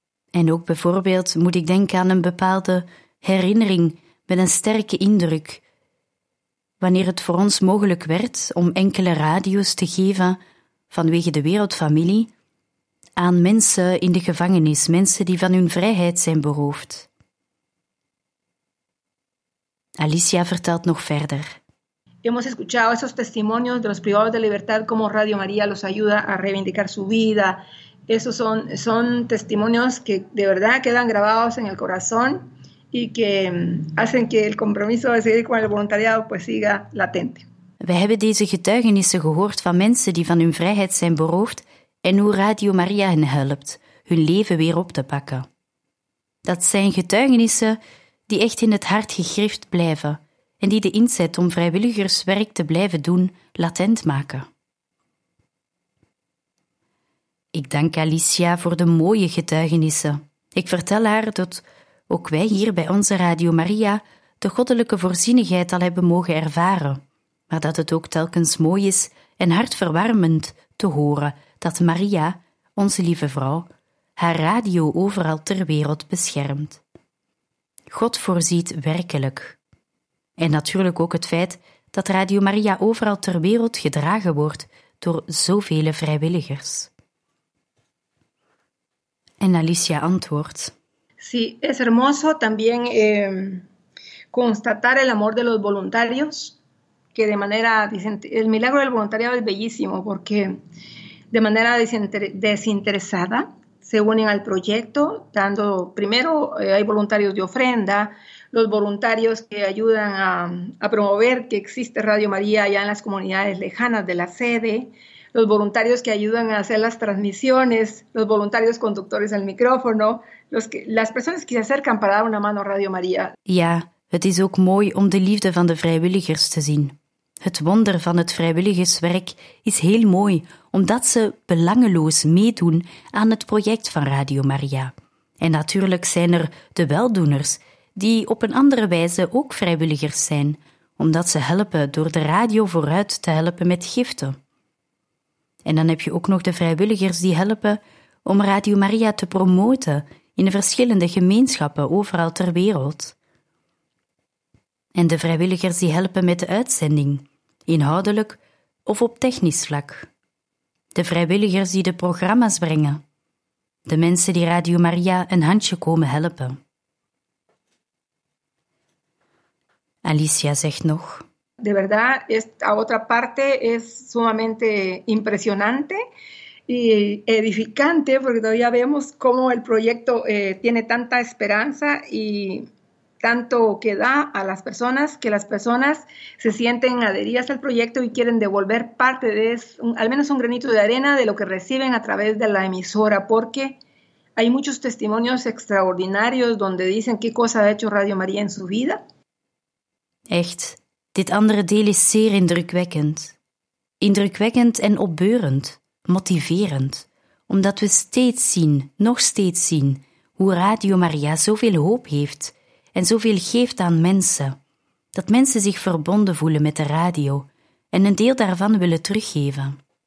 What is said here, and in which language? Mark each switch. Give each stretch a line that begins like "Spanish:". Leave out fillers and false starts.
Dutch: En ook bijvoorbeeld moet ik denken aan een bepaalde herinnering met een sterke indruk, wanneer het voor ons mogelijk werd om enkele radio's te geven vanwege de wereldfamilie aan mensen in de gevangenis, mensen die van hun vrijheid zijn beroofd. Alicia vertelt nog verder.
Spanish: Hemos escuchado esos testimonios de los privados de libertad como Radio María los ayuda a reivindicar su vida. Esos son testimonios que de verdad quedan grabados en el corazón. Y que hacen que el compromiso de seguir con el voluntariado pues siga latente.
Dutch: We hebben deze getuigenissen gehoord van mensen die van hun vrijheid zijn beroofd en hoe Radio Maria hen helpt hun leven weer op te pakken. Dat zijn getuigenissen die echt in het hart gegrift blijven en die de inzet om vrijwilligerswerk te blijven doen latent maken. Ik dank Alicia voor de mooie getuigenissen. Ik vertel haar dat... ook wij hier bij onze Radio Maria de goddelijke voorzienigheid al hebben mogen ervaren, maar dat het ook telkens mooi is en hartverwarmend te horen dat Maria, onze lieve vrouw, haar radio overal ter wereld beschermt. God voorziet werkelijk. En natuurlijk ook het feit dat Radio Maria overal ter wereld gedragen wordt door zoveel vrijwilligers. En Alicia antwoordt.
Spanish: Sí, es hermoso también constatar el amor de los voluntarios, que de manera, dicen, el milagro del voluntariado es bellísimo, porque de manera desinteresada se unen al proyecto, dando, primero hay voluntarios de ofrenda, los voluntarios que ayudan a promover que existe Radio María allá en las comunidades lejanas de la sede, los voluntarios que ayudan a hacer las transmisiones, los voluntarios conductores al micrófono, las personas que se acercan para dar una mano a Radio María.
Dutch: Ja, het is ook mooi om de liefde van de vrijwilligers te zien. Het wonder van het vrijwilligerswerk is heel mooi, omdat ze belangeloos meedoen aan het project van Radio María En natuurlijk zijn er de weldoeners, die op een andere wijze ook vrijwilligers zijn, omdat ze helpen door de radio vooruit te helpen met giften. En dan heb je ook nog de vrijwilligers die helpen om Radio Maria te promoten in de verschillende gemeenschappen overal ter wereld. En de vrijwilligers die helpen met de uitzending, inhoudelijk of op technisch vlak. De vrijwilligers die de programma's brengen. De mensen die Radio Maria een handje komen helpen. Alicia zegt nog.
Spanish: De verdad, esta otra parte es sumamente impresionante y edificante, porque todavía vemos cómo el proyecto tiene tanta esperanza y tanto que da a las personas, que las personas se sienten adheridas al proyecto y quieren devolver parte de eso, al menos un granito de arena de lo que reciben a través de la emisora, porque hay muchos testimonios extraordinarios donde dicen qué cosa ha hecho Radio María en su vida.
Dutch: Echt, dit andere deel is zeer indrukwekkend. Indrukwekkend en opbeurend, motiverend, omdat we steeds zien, nog steeds zien, hoe Radio Maria zoveel hoop heeft en zoveel geeft aan mensen, dat mensen zich verbonden voelen met de radio en een deel daarvan willen teruggeven.